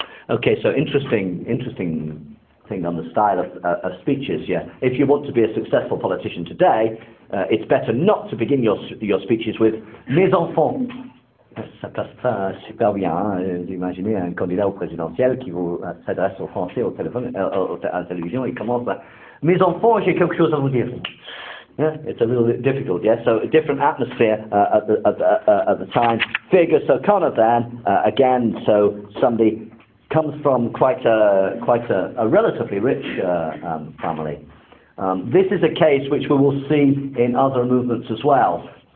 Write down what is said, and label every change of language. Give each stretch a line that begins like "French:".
English: Okay, so interesting thing on the style of speeches. Yeah, if you want to be a successful politician today, it's better not to begin your speeches with
French: mes enfants. Ça passe pas super bien. Imaginez un candidat au présidentiel qui vous s'adresse aux Français au téléphone, à la télévision, et commence à mes enfants, j'ai quelque chose à vous dire.
English: Yeah, it's a little bit difficult. Yeah, so a different atmosphere at the time. Figures so Connor then again. So somebody comes from quite a relatively rich family. This is a case which we will see in other movements as well.